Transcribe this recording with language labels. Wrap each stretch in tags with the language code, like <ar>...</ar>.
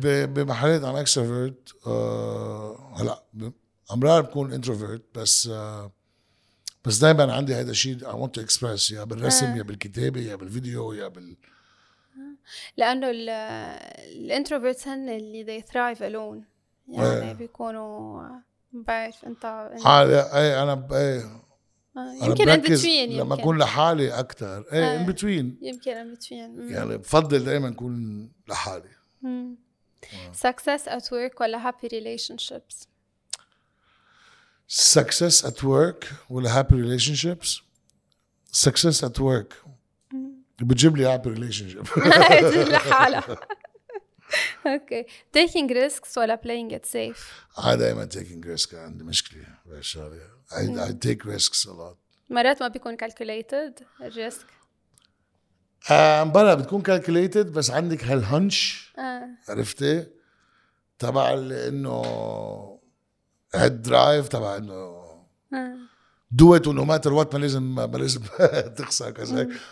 <ar>بمحلات انا extrovert، هلا امرار بكون introvert بس بس دائما عندي هذا الشيء</ar> <en>I want to express،</en> <ar>يا بالرسم يا بالكتابة يا بالفيديو يا بال، لأنه الانتروفيرتس هن اللي</ar> <en>they thrive alone</en> <ar>يعني بيكونوا بعرف انت انا يمكن</ar> <en>in between</en> <ar>لما اكون لحالي اكثر.</ar> <en>اي in between</en> <ar>يمكن</ar> <en>in between</en> <ar>يعني بفضل دائما اكون لحالي.</ar> <en>success at work</en> <ar>ولا</ar> <en>happy relationships؟ Success at work</en> <ar>ولا</ar> <en>happy relationships؟ Success at work</en> <ar>بتجيب لي</ar> <en>happy relationship.</en> <ar>لحالة.</ar> <en>Okay. Taking risks</en> <ar>ولا</ar> <en>playing it safe؟</en> <ar>I دائما</ar> <en>taking risks،</en> <ar>عندي مشكلة بهالشغلة.</ar> <en>I take risks a lot.</en> <ar>مرات ما بيكون</ar> <en>calculated risk؟</en> <ar>بلا بتكون calculated بس عندك هالهنش عرفتي؟ تبع لأنه هالدرايف تبع انه دوت انه ماتر وات ما لازم تخسر كذا.</ar>